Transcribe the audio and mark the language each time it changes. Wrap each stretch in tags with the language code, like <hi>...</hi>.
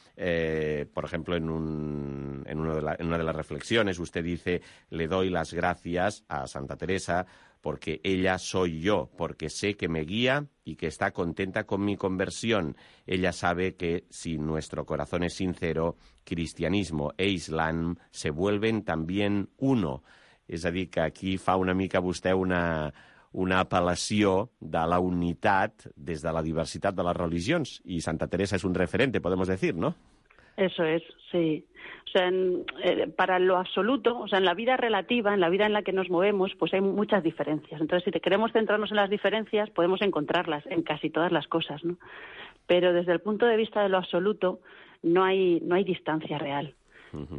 <es>Por ejemplo, en una de las reflexiones usted dice, le doy las gracias a Santa Teresa porque ella soy yo, porque sé que me guía y que está contenta con mi conversión. Ella sabe que si nuestro corazón es sincero, cristianismo e islam se vuelven también uno.</es> <ca>És a dir, que aquí fa una mica vostè una apel·lació de la unitat des de la diversitat de les religions, i Santa Teresa és</ca> <es>un referente, podemos decir, ¿no? Eso es, sí. O sea, para lo absoluto, o sea, en la vida relativa, en la vida en la que nos movemos, pues hay muchas diferencias. Entonces, si queremos centrarnos en las diferencias, podemos encontrarlas en casi todas las cosas, ¿no? Pero desde el punto de vista de lo absoluto, no hay distancia real. Uh-huh.</es>